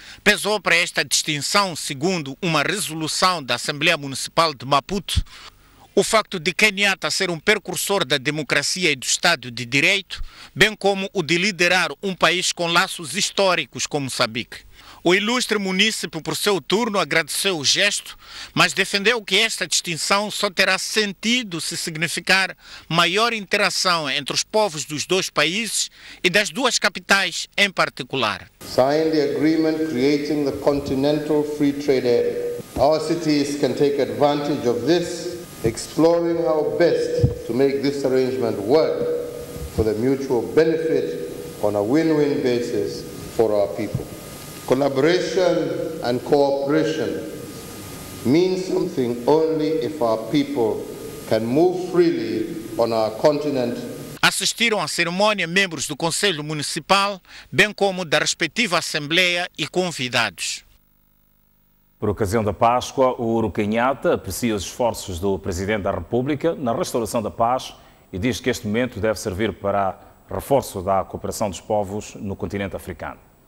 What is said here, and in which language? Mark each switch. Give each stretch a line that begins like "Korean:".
Portuguese: Pesou para esta distinção, segundo uma resolução da Assembleia Municipal de Maputo, o facto de Kenyatta ser um precursor da democracia e do Estado de Direito, bem como o de liderar um país com laços históricos como Moçambique. O ilustre munícipe, por seu turno, agradeceu o gesto, mas defendeu que esta distinção só terá sentido se significar maior interação entre os povos dos dois países e das duas capitais em particular.
English: Signed the agreement creating the continental free trade area. Our cities can take advantage of this, exploring how best to make this arrangement work for the mutual benefit on a win-win basis for our people. Collaboration and cooperation mean something only if our people can move freely on our continent.
Portuguese: Assistiram à cerimônia membros do Conselho Municipal, bem como da respectiva Assembleia e convidados. Por ocasião da Páscoa, o Uhuru Kenyatta aprecia os esforços do Presidente da República na restauração da paz e diz que este momento deve servir para reforço da cooperação dos povos no continente africano.